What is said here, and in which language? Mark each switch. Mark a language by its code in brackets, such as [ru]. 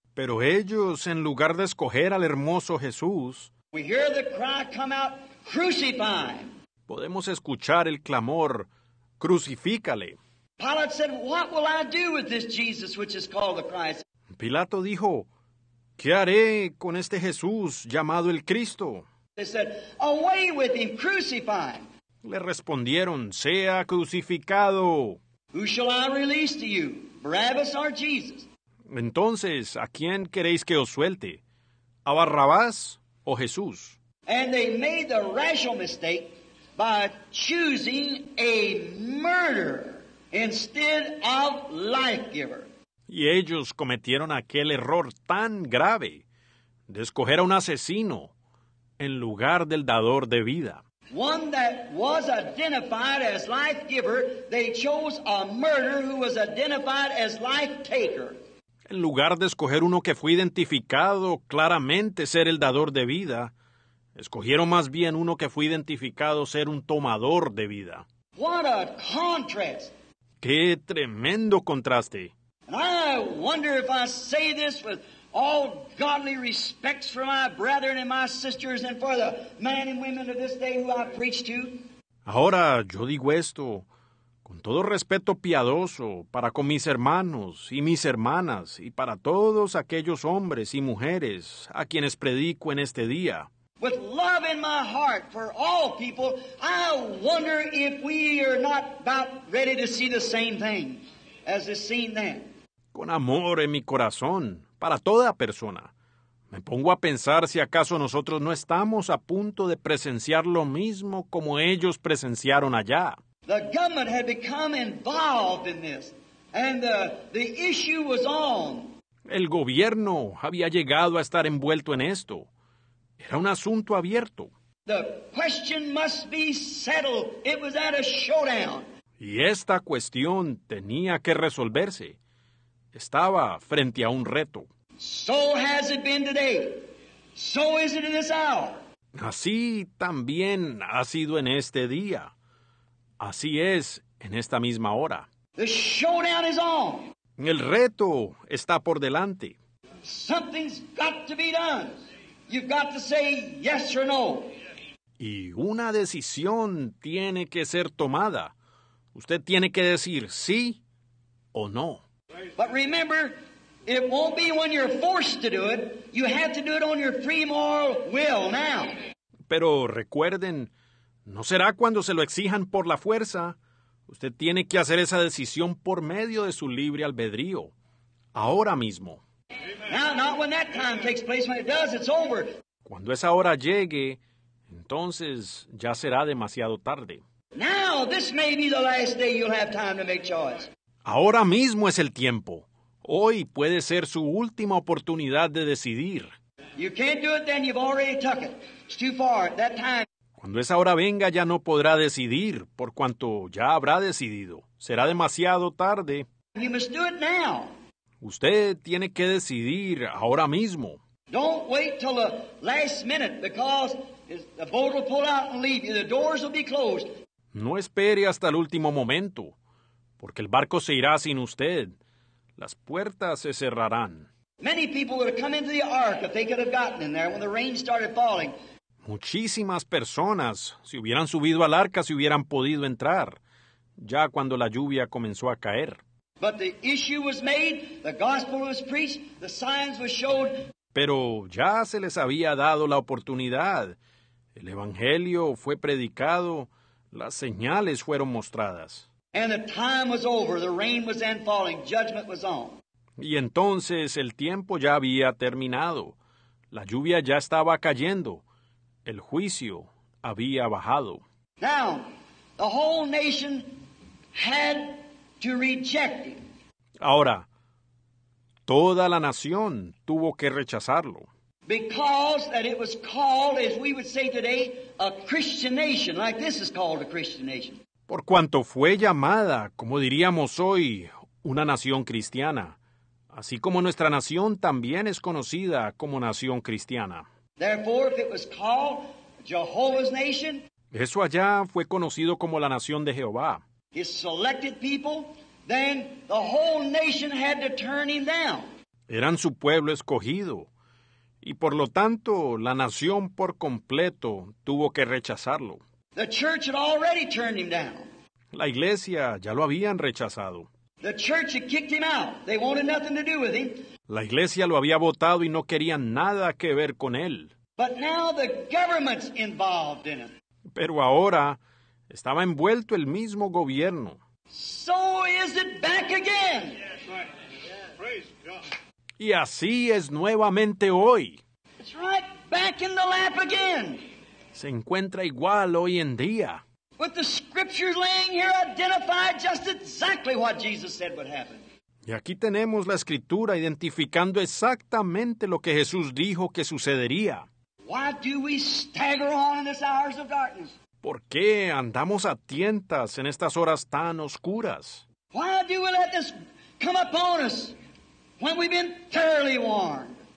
[es] Pero ellos, en lugar de escoger al hermoso Jesús, [en] we hear the cry come out, "Crucify." [es] Podemos escuchar el clamor, "Crucifícale." [en] Pilate said, "What will I do with this Jesus, which is called the Christ?" [es] Pilato dijo, "¿Qué haré con este Jesús llamado el Cristo?" [en] They said, "Away with him, crucify." [es] Le respondieron, "Sea crucificado." [en] "Who shall I release to you, Barabbas or Jesus?" [es] Entonces, ¿a quién queréis que os suelte, a Barrabás o Jesús? [en] And they made the racial mistake by choosing a murderer instead of life giver. [es] Y ellos cometieron aquel error tan grave de escoger a un asesino en lugar del dador de vida. [en] One that was identified as life giver, they chose a murderer who was identified as life taker. [es] En lugar de escoger uno que fue identificado claramente ser el dador de vida, escogieron más bien uno que fue identificado ser un tomador de vida. [en] What a contrast! [es] ¡Qué tremendo contraste! [en] And I wonder if I say this with all godly respects for my brethren and my sisters and for the men and women of this day who I preach to. [es] Ahora, yo digo esto con todo respeto piadoso para con mis hermanos y mis hermanas y para todos aquellos hombres y mujeres a quienes predico en este día. [en] With love in my heart for all people, I wonder if we are not about ready to see the same thing as is seen then. [es] Con amor en mi corazón para toda persona, me pongo a pensar si acaso nosotros no estamos a punto de presenciar lo mismo como ellos presenciaron allá. [en] The government had become involved in this, and the issue was on. [es] El gobierno había llegado a estar envuelto en esto. Era un asunto abierto. [en] The question must be settled. It was at a showdown. [es] Y esta cuestión tenía que resolverse. Estaba frente a un reto. [en] So has it been today. So is it in this hour. [es] Así también ha sido en este día. Así es en esta misma hora. [en] The showdown is on. [es] El reto está por delante. [en] Something's got to be done. You've got to say yes or no. [es] Y una decisión tiene que ser tomada. Usted tiene que decir sí o no. [en] But remember, it won't be when you're forced to do it. You have to do it on your free moral will now. [es] Pero recuerden, no será cuando se lo exijan por la fuerza. Usted tiene que hacer esa decisión por medio de su libre albedrío, ahora mismo. [en] Now, not when that time takes place. When it does, it's over. [es] Cuando esa hora llegue, entonces ya será demasiado tarde. [en] Now, this may be the last day you'll have time to make choice. [es] Ahora mismo es el tiempo. Hoy puede ser su última oportunidad de decidir. [en] You can't do it then, you've already took it. It's too far at that time. [es] Cuando esa hora venga, ya no podrá decidir, por cuanto ya habrá decidido. Será demasiado tarde. [en] You must do it now. [es] Usted tiene que decidir ahora mismo. [en] Don't wait till the last minute, because the boat will pull out and leave you. The doors will be closed. [es] No espere hasta el último momento, porque el barco se irá sin usted. Las puertas se cerrarán. [en] Many people would have come into the ark if they could have gotten in there when the rain started falling. [es] Muchísimas personas, si hubieran subido al arca, si hubieran podido entrar, ya cuando la lluvia comenzó a caer. [en] But the issue was made, the gospel was preached, the signs were shown. [es] Pero ya se les había dado la oportunidad. El evangelio fue predicado, las señales fueron mostradas. [en] And the time was over, the rain was then falling, judgment was on. [es] Y entonces el tiempo ya había terminado. La lluvia ya estaba cayendo. El juicio había bajado. [en] Now, the whole nation had to reject him. [es] Ahora, toda la nación tuvo que rechazarlo. [en] Because that it was called, as we would say today, a Christian nation, like this is called a Christian nation. [es] Por cuanto fue llamada, como diríamos hoy, una nación cristiana. Así como nuestra nación también es conocida como nación cristiana. [en] Therefore, if it was called Jehovah's nation, [es] eso allá fue conocido como la nación de Jehová. [en] His selected people, then the whole nation had to turn him down. [es] Eran su pueblo escogido, y por lo tanto, la nación por completo tuvo que rechazarlo. [en] The church had already turned him down. [es] La iglesia ya lo habían rechazado. [en] The church had kicked him out. They wanted nothing to do with him. [es] La iglesia lo había votado y no querían nada que ver con él. [en] But now the government's involved in it. [es] Pero ahora estaba envuelto el mismo gobierno. [en] So is it back again. Yes, right. Yes. Praise God. [es] Y así es nuevamente hoy. [en] It's right back in the lap again. [es] Se encuentra igual hoy en día. [en] With the scriptures laying here identified just exactly what Jesus said would happen. [es] Y aquí tenemos la escritura identificando exactamente lo que Jesús dijo que sucedería. [en] Why do we stagger on in this hours of darkness? [es] ¿Por qué andamos a tientas en estas horas tan oscuras? [en] Why do we let this come upon us when we've been thoroughly warned?